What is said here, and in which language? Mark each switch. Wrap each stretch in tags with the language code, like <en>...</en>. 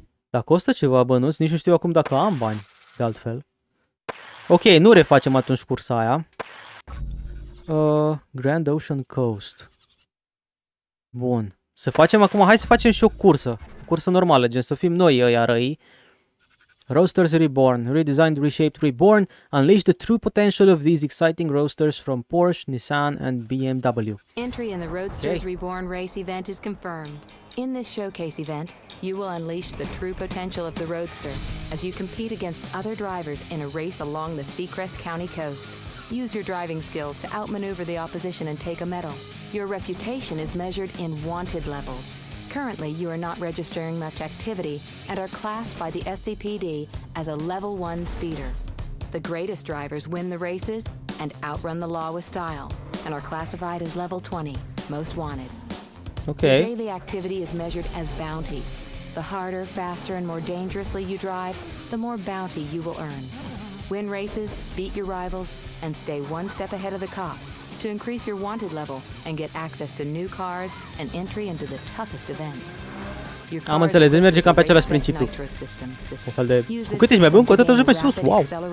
<ro>Dar costă ceva bănuți, nici nu știu acum dacă am bani, de altfel. Ok, nu refacem atunci cursa aia. Grand Ocean Coast. Bun. Să facem acum, hai să facem și o cursă. Cursă normală, gen să fim noi ăia răi.</ro> <en>Roasters Reborn, redesigned, reshaped, reborn, unleash the true potential of these exciting roasters from Porsche, Nissan and BMW. Entry in the Roasters Reborn race event is confirmed. In this showcase event, You will unleash the true potential of the Roadster as you compete against other drivers in a race along the Seacrest County coast. Use your driving skills to outmaneuver the opposition and take a medal. Your reputation is measured in wanted levels. Currently, you are not registering much activity and are classed by the SCPD as a level one speeder. The greatest drivers win the races and outrun the law with style and are classified as level 20, most wanted. Okay. The daily activity is measured as bounty. The harder, faster, and more dangerously you drive, the more bounty you will earn. Win races, beat your rivals, and stay one step ahead of the cops to increase your wanted level and get access to new cars and entry into the toughest events.</en> <ro>Am înțeles, deci merge cam pe același principiu. Un fel de... Cu cât ești mai bun, cu atât ajungi mai sus, wow!</ro>